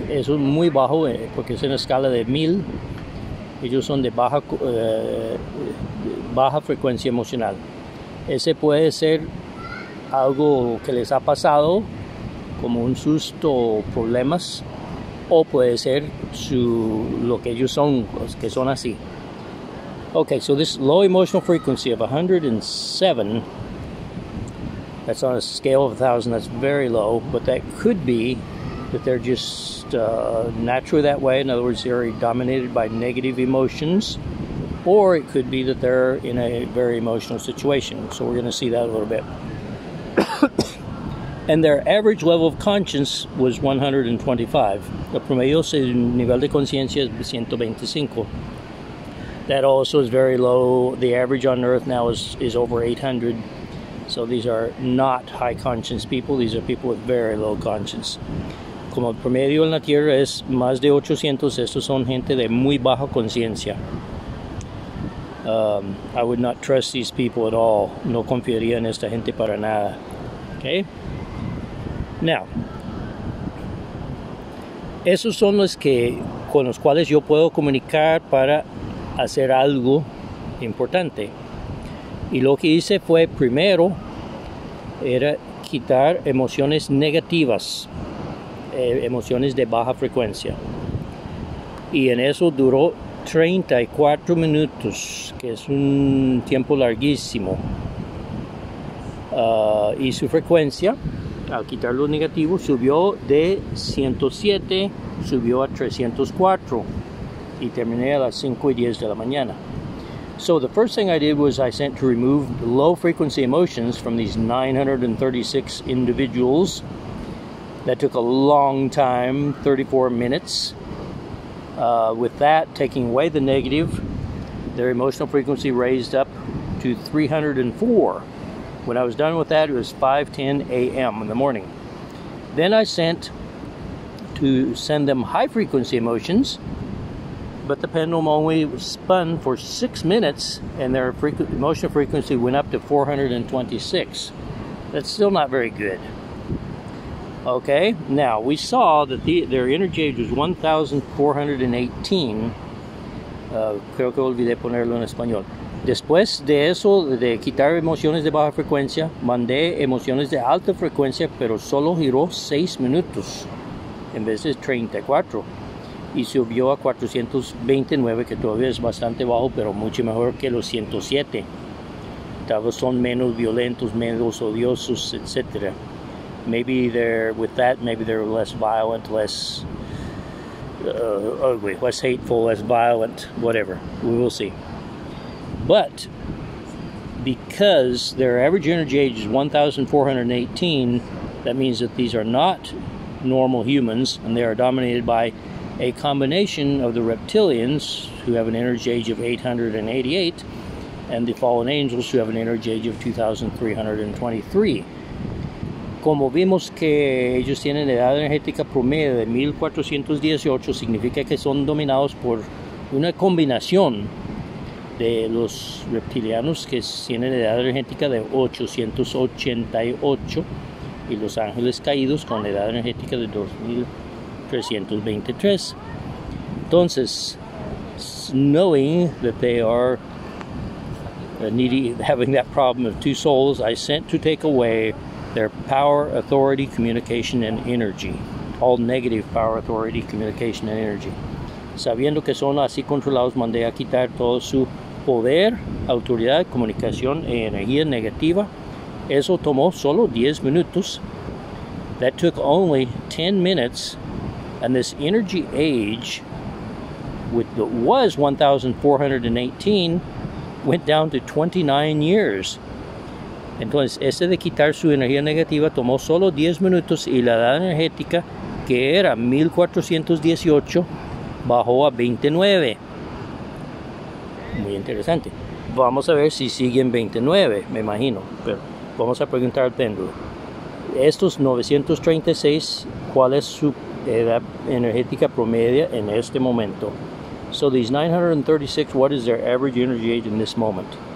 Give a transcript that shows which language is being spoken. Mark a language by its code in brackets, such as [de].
[es] Eso es muy bajo porque es en la escala de 1000. Ellos son de baja frecuencia emocional. Ese puede ser algo que les ha pasado, como un susto o problemas. O puede ser su, lo que ellos son, que son así. [en] Okay, so this low emotional frequency of 107, that's on a scale of 1,000, that's very low, but that could be that they're just naturally that way. In other words, they're dominated by negative emotions, or it could be that they're in a very emotional situation. So we're going to see that a little bit. And their average level of conscience was 125. [es] El promedio nivel de conciencia es 125. [en] That also is very low. The average on Earth now is over 800. So these are not high conscience people. These are people with very low conscience. [es] Como el promedio en la Tierra es más de 800, estos son gente de muy baja conciencia. [en] I would not trust these people at all. [es] No confiaría en esta gente para nada. Okay? Now, esos son los que con los cuales yo puedo comunicar para hacer algo importante. Y lo que hice fue, primero, era quitar emociones negativas, emociones de baja frecuencia. Y en eso duró 34 minutos, que es un tiempo larguísimo. Y su frecuencia, al quitar lo negativo, subió de 107, subió a 304 y terminé a las 5:10 de la mañana. [en] So the first thing I did was I sent to remove low frequency emotions from these 936 individuals. That took a long time, 34 minutes. With that, taking away the negative, their emotional frequency raised up to 304. When I was done with that, it was 5:10 a.m. in the morning. Then I sent to send them high frequency emotions, but the pendulum only spun for 6 minutes and their emotional frequency went up to 426. That's still not very good. Okay, now we saw that their energy age was 1,418. [es] Creo que olvidé ponerlo en español. Después de eso, de quitar emociones de baja frecuencia, mandé emociones de alta frecuencia, pero solo giró 6 minutos en vez de 34. Y subió a 429, que todavía es bastante bajo, pero mucho mejor que los 107. Tal vez son menos violentos, menos odiosos, etc. [en] Maybe they're, with that, maybe they're less violent, less ugly, less hateful, less violent, whatever. We will see. But because their average energy age is 1,418, that means that these are not normal humans, and they are dominated by a combination of the reptilians, who have an energy age of 888, and the fallen angels, who have an energy age of 2,323. [es] Como vimos que ellos tienen edad energética promedio de 1,418, significa que son dominados por una combinación de los reptilianos que tienen edad energética de 888 y los ángeles caídos con edad energética de 2,323. [en] Entonces, knowing that they are needy, having that problem of two souls, I sent to take away their power, authority, communication, and energy. All negative power, authority, communication, and energy. [es] Sabiendo que son así controlados, mandé a quitar todo su poder, autoridad, comunicación, e energía negativa. Eso tomó solo 10 minutos. [en] That took only 10 minutes. And this energy age, which was 1,418, went down to 29 years. [es] Entonces, ese de quitar su energía negativa tomó solo 10 minutos y la edad energética, que era 1,418, bajó a 29. Muy interesante. Vamos a ver si siguen 29, me imagino, pero vamos a preguntar al péndulo. Estos 936, ¿cuál es su edad energética promedio en este momento? [en] So these 936, what is their average energy age in this moment?